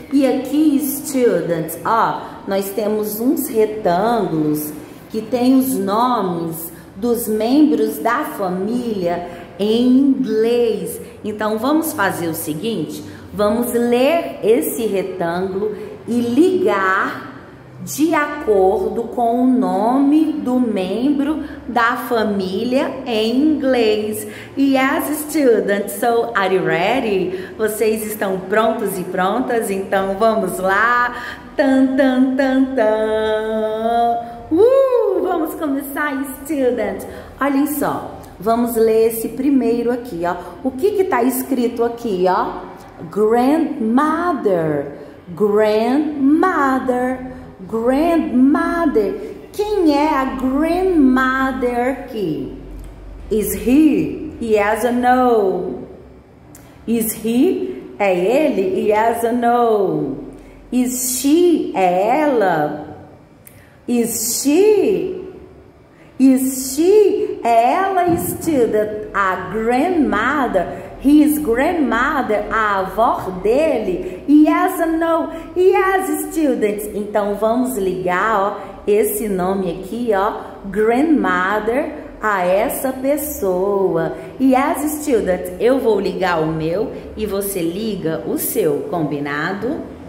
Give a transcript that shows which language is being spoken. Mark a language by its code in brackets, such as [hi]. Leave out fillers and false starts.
[pt] E aqui, students, ó, nós temos uns retângulos que tem os nomes dos membros da família em inglês. Então vamos fazer o seguinte, vamos ler esse retângulo e ligar de acordo com o nome do membro da família em inglês. [en] Yes, students, so are you ready? [pt] Vocês estão prontos e prontas? Então vamos lá. Tan tan tan tan. Vamos começar, students. Olhem só. Vamos ler esse primeiro aqui, ó. O que que tá escrito aqui, ó? Grandmother. [en] Grandmother. Grandmother. [pt] Quem é a grandmother aqui? [en] Is he? Yes or no? Is he? [pt] É ele? [en] Yes or no? Is she? [pt] É ela? [en] Is she? Is she? [pt] É ela, student, a grandmother, [en] his grandmother, [pt] a avó dele. [en] Yes or no? Yes, students. [pt] Então vamos ligar, ó, esse nome aqui, ó, grandmother, a essa pessoa. [en] Yes, students, [pt] eu vou ligar o meu e você liga o seu, combinado?